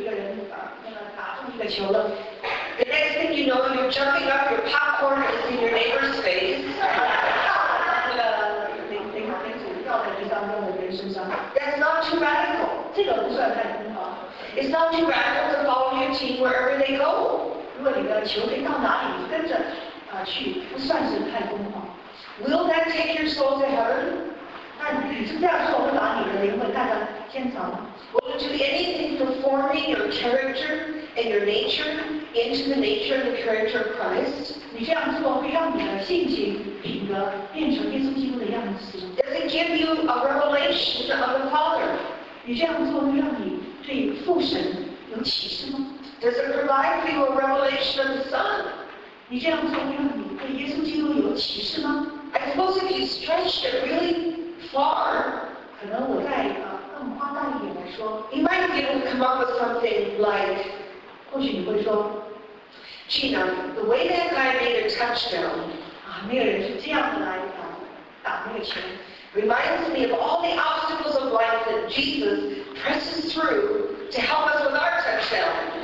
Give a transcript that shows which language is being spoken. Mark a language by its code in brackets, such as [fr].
[zh] 然后呢，你在吃零食，一个人打中一个球了。 [en] The next thing you know, you're jumping up, your popcorn is in your neighbor's face. [zh] 那个零食掉在地上，掉在别人身上。 [en] That's not too radical. [zh] 这个不算太疯狂。 [en] It's not too radical to follow your team wherever they go. [zh] 如果你的球队到哪里，跟着去，不算是太疯狂。 [en] Will that take your soul to heaven? [zh] 那你是这样说，会把你的灵魂带到天堂吗？ [en] Will you do anything for forming your character and your nature into the nature and the character of Christ? [zh] 你这样做会让你的性情、品格变成耶稣基督的样子。 [en] Does it give you a revelation of the Father? [zh] 你这样做会让你对父神有启示吗？ [en] Does it provide for you a revelation of the Son? [zh] 你这样做会让你对耶稣基督有启示吗？ [en] I suppose if you stretched it really far, [zh] 可能我在啊。更夸大一点来说, [en] you might be able to come up with something like, [zh] 或许你会说, [en] Gina, the way that guy made a touchdown, [zh] 没有人是这样子来打那个球, [en] reminds me of all the obstacles of life that Jesus presses through to help us with our touchdown.